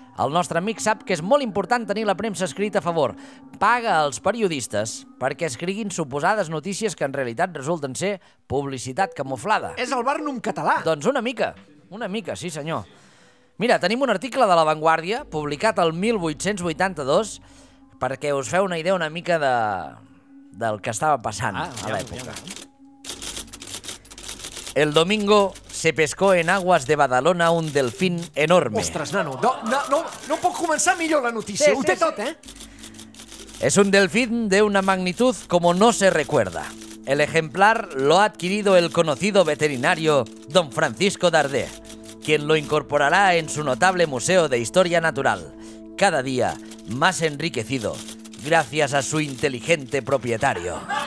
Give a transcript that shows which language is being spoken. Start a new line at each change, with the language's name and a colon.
Catalan: El nostre amic sap que és molt important tenir la premsa escrita a favor. Paga els periodistes perquè escriguin suposades notícies que en realitat resulten ser publicitat camuflada. És el Barnum català. Doncs una mica, sí senyor. Mira, tenim un article de La Vanguardia publicat el 1882 perquè us feu una idea una mica del que estava passant a l'època.
Spanish: El domingo se pescó en aguas de Badalona un delfín enorme.
Catalan: Ostres, nano, no puc començar millor la notícia.
Spanish: Es un delfín de una magnitud como no se recuerda. El ejemplar lo ha adquirido el conocido veterinario don Francisco Darder, quien lo incorporará en su notable Museo de Historia Natural, cada día más enriquecido gracias a su inteligente propietario.